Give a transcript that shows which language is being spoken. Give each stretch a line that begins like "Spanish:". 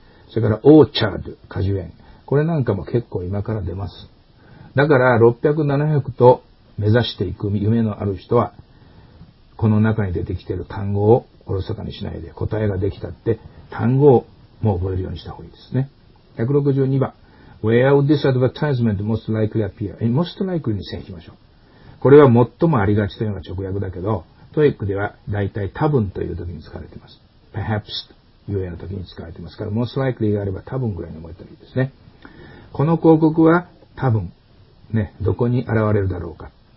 Japanese: それから、オーチャード、果樹園。これなんかも結構今から出ます。だから、600、700と目指していく夢のある人は、この中に出てきている単語をおろそかにしないで、答えができたって、単語をもう覚えるようにした方がいいですね。 162番。
English: Where would this advertisement most likely appear? Most likely
Japanese: に線引きましょう。これは最もありがちというのが直訳だけど、TOEIC では大体多分という時に使われています。 Perhaps というような時に使われていますから、
English: most likely
Japanese: があれば多分ぐらいに覚えたらいいですね。この広告は多分、ね、どこに現れるだろうか。